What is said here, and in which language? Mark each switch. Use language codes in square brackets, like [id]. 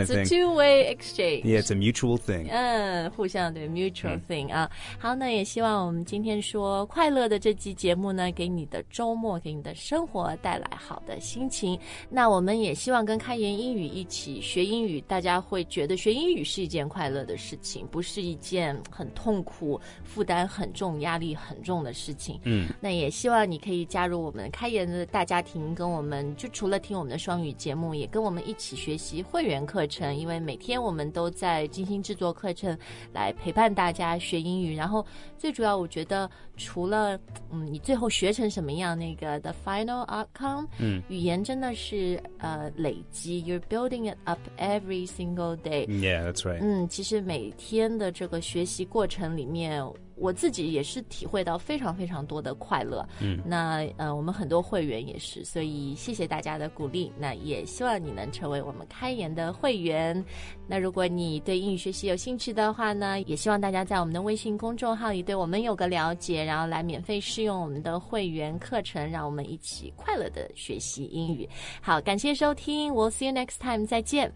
[en] it's of thing It's a two-way exchange Yeah, it's a mutual thing [zh] 嗯，互相对 [en] mutual thing、 [zh] 嗯、啊，好，那也希望我们今天说快乐的这期节目呢，给你的周末，给你的生活带来好的心情。那我们也希望跟开言英语一起学英语，大家会觉得学英语是一件快乐的事情，不是一件很痛苦、负担很重、压力很重的事情。嗯，那也希望你可以加入我们开言的大家庭，跟我们就除了听我们的双语节目，也跟我们一起学习会员课程，因为每天我们都在精心制作课程来陪伴大家学英语然后最主要我觉得除了、嗯、你最后学成什么样那个 [en] the final outcome、嗯、 [zh] 语言真的是、累积 [en] you're building it up every single day yeah that's right、 [zh] 嗯、其实每天的这个学习过程里面我自己也是体会到非常非常多的快乐、嗯、那、我们很多会员也是所以谢谢大家的鼓励那也希望你能成为我们开言的会员那如果你对英语学习有兴趣的话呢也希望大家在我们的微信公众号里对我们有个了解然后来免费试用我们的会员课程让我们一起快乐的学习英语好感谢收听 [en] We'll see you next time [zh] 再见